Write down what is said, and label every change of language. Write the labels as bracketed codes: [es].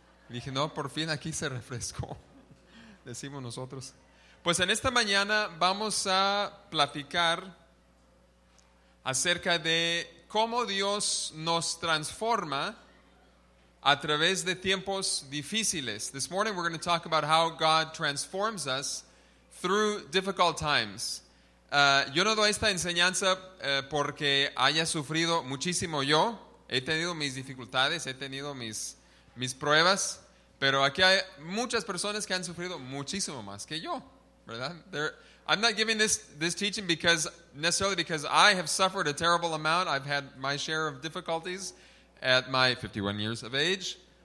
[es] Y dije, no, por fin aquí se refrescó, decimos nosotros. Pues en esta mañana vamos a platicar acerca de cómo Dios nos transforma a través de tiempos difíciles. [en] This morning we're going to talk about how God transforms us through difficult times. [es] Yo no doy esta enseñanza porque haya sufrido muchísimo yo. He tenido mis dificultades, he tenido mis pruebas, pero aquí hay muchas personas que han sufrido muchísimo más que yo, ¿verdad? [en] I'm not giving this teaching because I have suffered a terrible amount. I've had my share of difficulties at my 51 years of age.